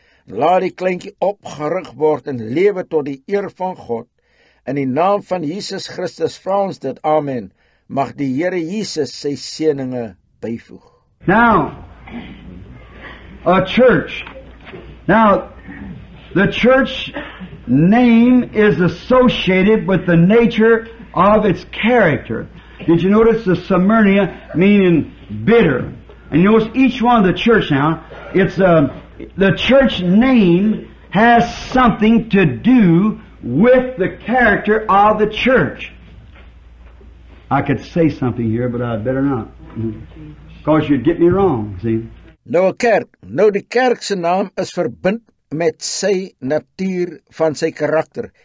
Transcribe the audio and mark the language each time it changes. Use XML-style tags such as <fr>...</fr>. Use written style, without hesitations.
<af>Laat die kleintjie opgerig word en lewe tot die eer van God. In die naam van Jesus Christus vra ons dit, amen. Mag die Heere Jesus sy seëninge byvoeg.</af> <en>Now, a church. Now, the church name is associated with the nature of its character. Did you notice the Smyrna meaning bitter? And you notice each one of the church now, it's the church name has something to do with the character of the church. I could say something here, but I better not. Because you'd get me wrong, see?</en> <af>Nou, a kerk. Nou, die kerk se naam is verbind met sy natuur van sy karakter.</af>